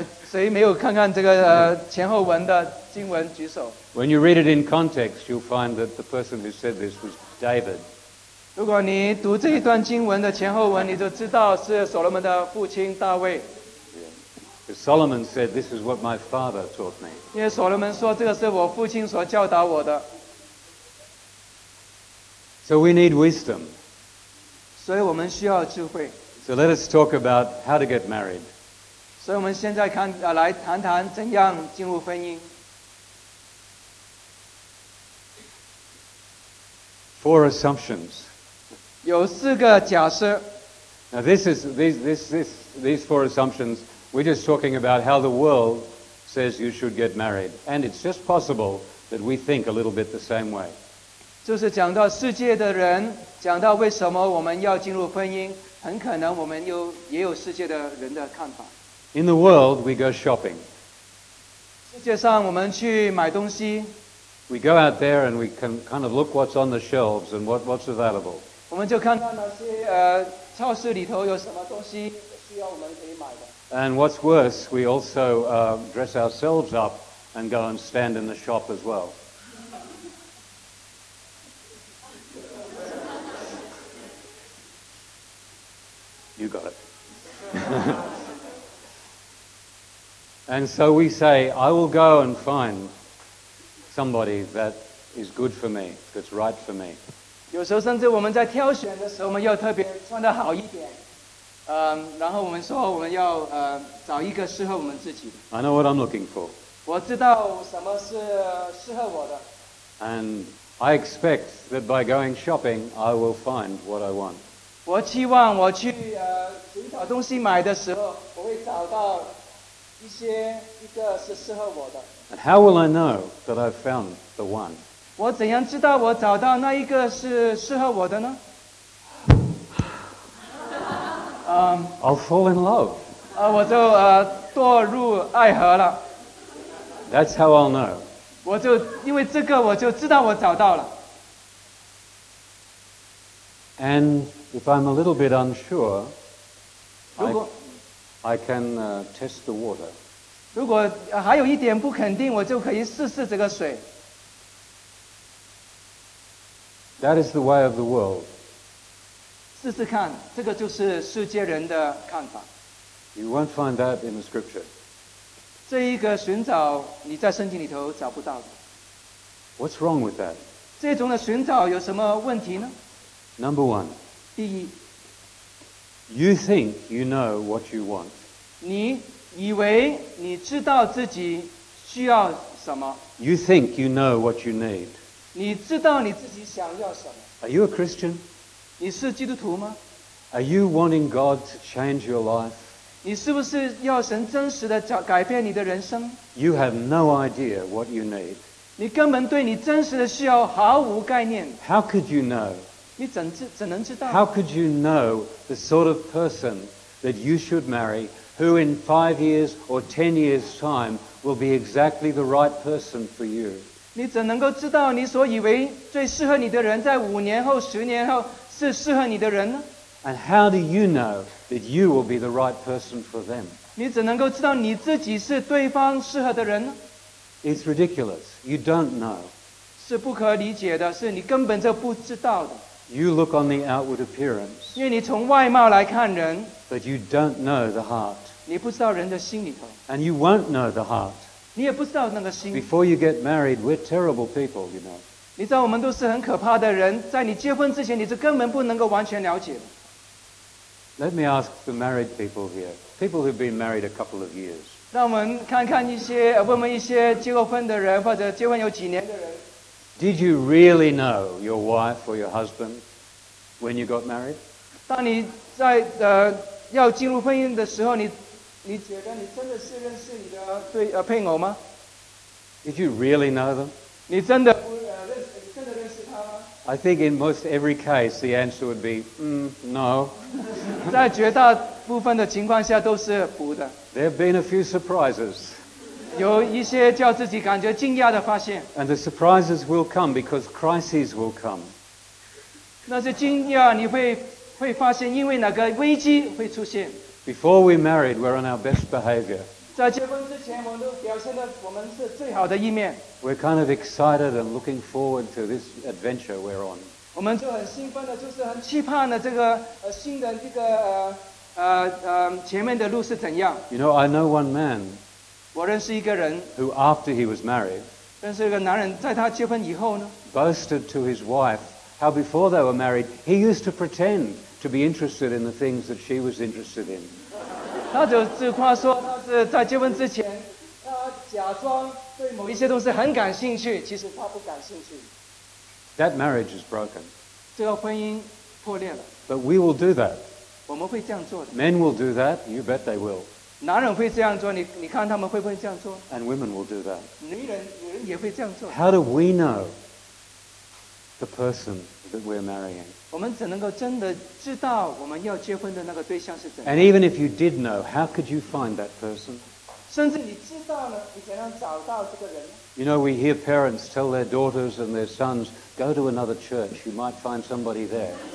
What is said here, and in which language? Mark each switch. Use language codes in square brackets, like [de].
[zh] 谁没有看看这个前后文的经文举手。 [en] When you read it in context, you'll find that the person who said this was David. [zh] 如果你读这一段经文的前后文，你就知道是所罗门的父亲大卫。 [en] Yeah. Solomon said, "This is what my father taught me." [zh] 因为所罗门说，这个是我父亲所教导我的。 [en] So we need wisdom. [zh] 所以我们需要智慧。 [en] So let us talk about how to get married. [zh] 所以我们现在看来谈谈怎样进入婚姻。 [en] Four assumptions. [zh] 有四个假设。 [en] Now these four assumptions, we're just talking about how the world says you should get married. And it's just possible that we think a little bit the same way. [zh] 就是讲到世界的人，讲到为什么我们要进入婚姻，很可能我们也有世界的人的看法。 [en] In the world, we go shopping. [zh] 世界上我们去买东西。 [en] We go out there and we can kind of look what's on the shelves and what's available. [zh] 我们就看到那些超市里头有什么东西需要我们可以买的。 [en] And what's worse, we also dress ourselves up and go and stand in the shop as well. You got it. And so we say, I will go and find somebody that is good for me, that's right for me. [zh] 有时候甚至我们在挑选的时候，我们要特别穿得好一点，然后我们说我们要找一个适合我们自己的。 [en] I know what I'm looking for. [zh] 我知道什么是适合我的。 [en] And I expect that by going shopping, I will find what I want. [zh] 我期望我去寻找东西买的时候，我会找到一个是适合我的。 [en] And how will I know that I've found the one? [zh] 我怎样知道我找到那一个是适合我的呢？ [en] I'll fall in love. [zh] 我就堕入爱河了。 [en] That's how I'll know. [zh] 我就因为这个，我就知道我找到了。 [en] And if I'm a little bit unsure, I can test the water. [zh] 如果还有一点不肯定，我就可以试试这个水。 [en] That is the way of the world. [zh] 试试看，这个就是世界人的看法。 [en] You won't find that in the scripture. [zh] 这一个寻找你在圣经里头找不到的。 [en] What's wrong with that? [zh] 这种的寻找有什么问题呢？ [en] Number one. [zh] 第一。 [en] You think you know what you want. [zh] 你以为你知道自己需要什么。 [en] You think you know what you need. [zh] 你知道你自己想要什么？ [en] Are you a Christian? [zh] 你是基督徒吗？ [en] Are you wanting God to change your life? [zh] 你是不是要神真实的改变你的人生？ [en] You have no idea what you need. [zh] 你根本对你真实的需要毫无概念。 [en] How could you know? [zh] 你怎能知道？ [en] How could you know the sort of person that you should marry, who in 5 years or 10 years' time will be exactly the right person for you? [zh] 你怎能够知道你所以为最适合你的人在五年后、十年后是适合你的人呢？ [en] And how do you know that you will be the right person for them? [zh] 你怎能够知道你自己是对方适合的人呢？ [en] It's ridiculous. You don't know. [zh] 是不可理解的，是你根本就不知道的。 [en] You look on the outward appearance. [zh] 因为你从外貌来看人。 [en] But you don't know the heart. [zh] 你不知道人的心里头。 [en] And you won't know the heart. [zh] 你也不知道那个心。 [en] Before you get married, we're terrible people, you know. [zh] 你知道我们都是很可怕的人，在你结婚之前，你是根本不能够完全了解的。 [en] Let me ask the married people here, people who've been married a couple of years. [zh] 让我们看看一些，问问一些结过婚的人，或者结婚有几年的人。 [en] Did you really know your wife or your husband when you got married? [zh] 当你在要进入婚姻的时候，你觉得你真的是认识你的配偶吗？ [en] Did you really know them? [zh] 你真的认识他吗？ [en] I think in most every case the answer would be, no. [zh] 在绝大部分的情况下都是不的。 [en] There have been a few surprises. [zh] 有一些叫自己感觉惊讶的发现。 [en] And the surprises will come because crises will come. [zh] 那些惊讶你会发现因为哪个危机会出现。 [en] Before we married, we're on our best behavior. [zh] 在结婚之前，我们都表现了我们是最好的一面。 [en] We're kind of excited and looking forward to this adventure we're on. [zh] 我们就很兴奋的，就是很期盼的这个新的这个前面的路是怎样。 [en] You know, I know one man. [zh] 我认识一个人。 [en] Who after he was married. [zh] 认识一个男人，在他结婚以后呢 [en] ，boasted to his wife how before they were married he used to pretend to be interested in the things that she was interested in. [zh] 他就自夸说他是在结婚之前，他假装对某一些东西很感兴趣，其实他不感兴趣。 [en] That marriage is broken. [zh] 这个婚姻破裂了。 [en] But we will do that. [zh] 我们会这样做的。 [en] Men will do that. You bet they will. [zh] 男人会这样做，你看他们会不会这样做 [en] ？And women will do that. [zh] 女人也会这样做。 [en] How do we know the person that we're marrying? [zh] 我们怎能够真的知道我们要结婚的那个对象是怎样 [en] ？And even if you did know, how could you find that person? [zh] 甚至你知道了，你怎样找到这个人？ [en] You know, we hear parents tell their daughters and their sons, go to another church, you might find somebody there.